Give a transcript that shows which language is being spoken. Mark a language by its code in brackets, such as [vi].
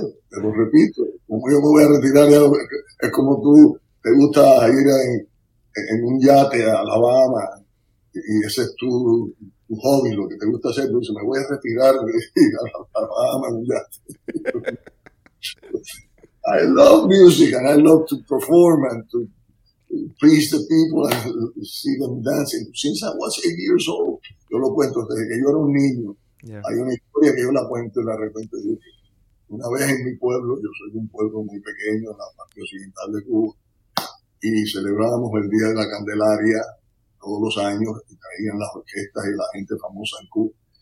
[es] Te lo repito, como yo me voy a retirar, es como tú te gusta ir en un yate a Alabama, y ese es tu hobby, lo que te gusta hacer, tú dices, me voy a retirar de ir a Alabama en un yate. [en] I love music, and I love to perform, and to please the people, and see them dancing. Since I was 8 years old, [es] yo lo cuento desde que yo era un niño. Yeah. Hay una historia que yo la cuento, y la repente dije, una vez en mi pueblo, yo soy de un pueblo muy pequeño, en la parte occidental de Cuba, y celebrábamos el Día de la Candelaria todos los años, y traían las orquestas y la gente famosa en Cuba.